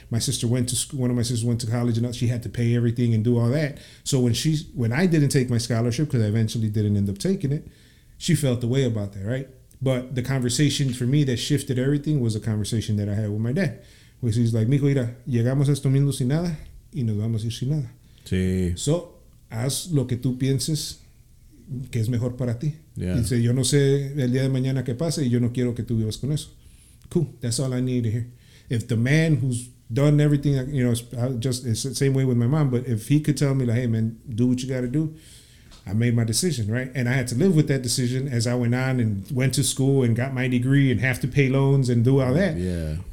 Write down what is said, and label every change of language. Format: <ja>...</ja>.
<en>My sister went to school, one of my sisters went to college, and she had to pay everything and do all that. So when I didn't take my scholarship, because I eventually didn't end up taking it, she felt the way about that, right? But the conversation for me that shifted everything was a conversation that I had with my dad, which he's like,</en> <es>mijo, mira, llegamos a estos mundos sin nada</es> <en>y nos vamos a ir sin nada.</en> <es>Sí. So haz lo que tú pienses que es mejor para ti.</es> <en>Yeah.</en> <es>Y dice, yo no sé el día de mañana que pase y yo no quiero que tú vivas con eso.</es> <en>Cool, that's all I need to hear. If the man who's done everything, you know, it's the same way with my mom, but if he could tell me, like, hey, man, do what you got to do, I made my decision, right? And I had to live with that decision as I went on and went to school and got my degree and have to pay loans and do all that. Yeah.</en>